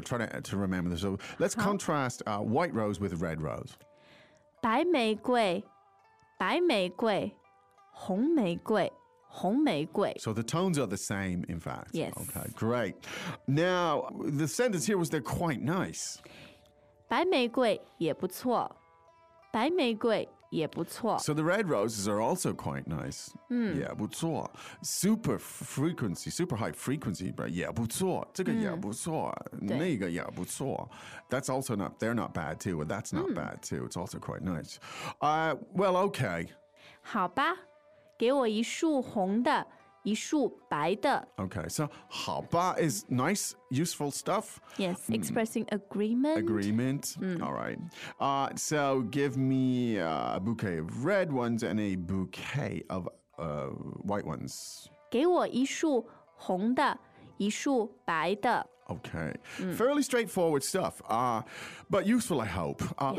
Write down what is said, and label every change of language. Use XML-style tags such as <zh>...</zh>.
<en>Try to remember this. So let's contrast white rose with red rose.</en> <zh>白玫瑰白玫瑰红玫瑰红玫瑰</zh> <en>So the tones are the same, in fact. Yes. Okay, great. Now, the sentence here was they're quite nice.</en> <zh>白玫瑰也不错白玫瑰也不错。</zh> <en>So the red roses are also quite nice.</en> <zh>也不错。</zh> <en>Super frequency, super high frequency, but 也不错。</en> <zh>这个也不错。那个也不错。</zh> <en>That's also not, they're not bad too, but that's not bad too. It's also quite nice. Well, okay.</en> <zh>好吧,给我一束红的,一束白的。</zh> <en>Okay, so</en> <zh>好吧</zh> <en>is nice, useful stuff. Yes, expressing agreement. Agreement,、all right. So give me a bouquet of red ones and a bouquet of white ones.</en> <zh>给我一束红的一束白的。</zh> <en>Okay,、fairly straightforward stuff, but useful, I hope.、yes.</en>